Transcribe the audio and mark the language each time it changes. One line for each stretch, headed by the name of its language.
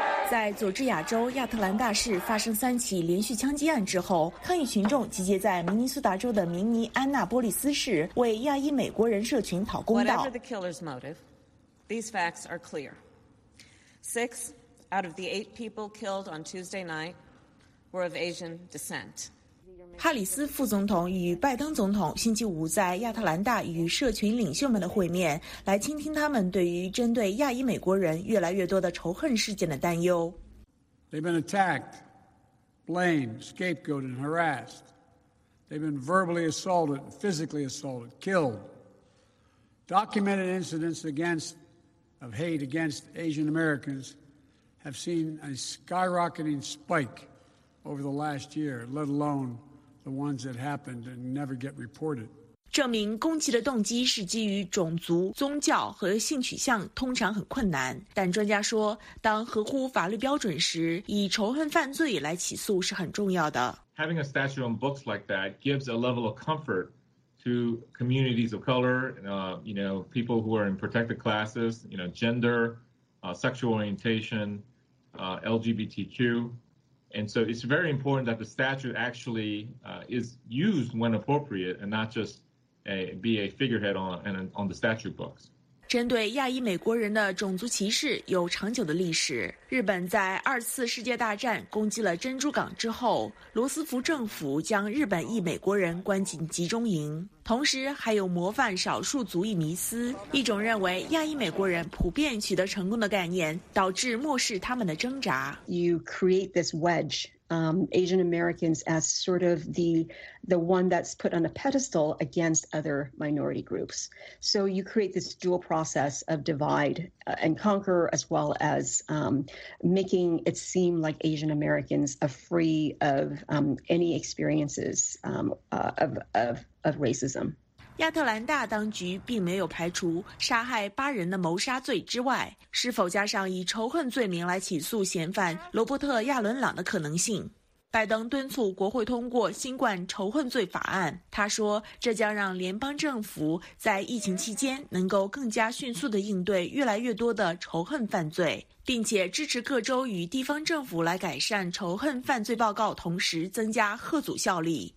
Chinese: 在佐治亚州亚特兰大市发生3起连续枪击案之后，抗议群众集结在明尼苏达州的明尼安纳波利斯市，为亚裔美国人社群讨公道。
English: Whatever the killer's motive, these facts are clear. 6 out of the 8 people killed on Tuesday night were of Asian descent.
Chinese: 哈里斯副总统与拜登总统星期五在亚特兰大与社群领袖们的会面，来倾听他们对于针对亚裔美国人越来越多的仇恨事件的担忧。
English: They've been attacked, blamed, scapegoated, and harassed. They've been verbally assaulted, physically assaulted, killed. Documented incidents of hate against Asian Americans have seen a skyrocketing spike over the last year, let alone...the ones that happened and never get reported.
Chinese: 证明攻击的动机是基于种族、宗教和性取向通常很困难，但专家说，当合乎法律标准时，以仇恨犯罪来起诉是很重要的。
English: Having a statute on books like that gives a level of comfort to communities of color, you know, people who are in protected classes, you know, gender, sexual orientation, LGBTQ. And so it's very important that the statute actually is used when appropriate and not just be a figurehead on the statute books.
Chinese: 针对亚裔美国人的种族歧视有长久的历史。日本在二次世界大战攻击了珍珠港之后，罗斯福政府将日本裔美国人关进集中营，同时还有模范少数族裔迷思，一种认为亚裔美国人普遍取得成功的概念，导致漠视他们的挣扎。
English: You create this wedge, Asian Americans as sort of the one that's put on a pedestal against other minority groups. So you create this dual process of divide and conquer, as well as making it seem like Asian Americans are free of any experiences of racism.
Chinese: 亚特兰大当局并没有排除杀害八人的谋杀罪之外，是否加上以仇恨罪名来起诉嫌犯罗伯特·亚伦朗的可能性。拜登敦促国会通过新冠仇恨罪法案，他说这将让联邦政府在疫情期间能够更加迅速地应对越来越多的仇恨犯罪，并且支持各州与地方政府来改善仇恨犯罪报告，同时增加贺阻效力。